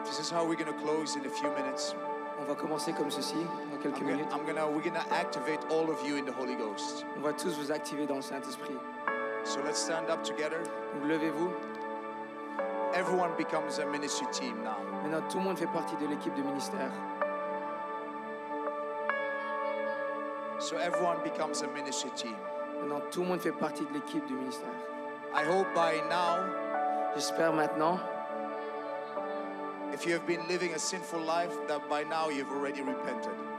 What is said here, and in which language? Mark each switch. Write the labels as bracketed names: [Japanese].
[English] How we're going to close in a few minutes. [French] On va commencer comme ceci dans quelques minutes. [English] We're going to activate all of you in the Holy Ghost. [French] On va tous vous activer dans le Saint-Esprit. [English] So let's stand up together. [French] Donc, levez-vous. [English] Everyone becomes a ministry team now. [French] Maintenant, tout le monde fait partie de l'équipe de ministère. [English] So everyone becomes a ministry team. [French] Maintenant, tout le monde fait partie de l'équipe de ministère. [English] I hope by now. [French] J'espère maintenant. [English] If you have been living a sinful life, that by now you've already repented.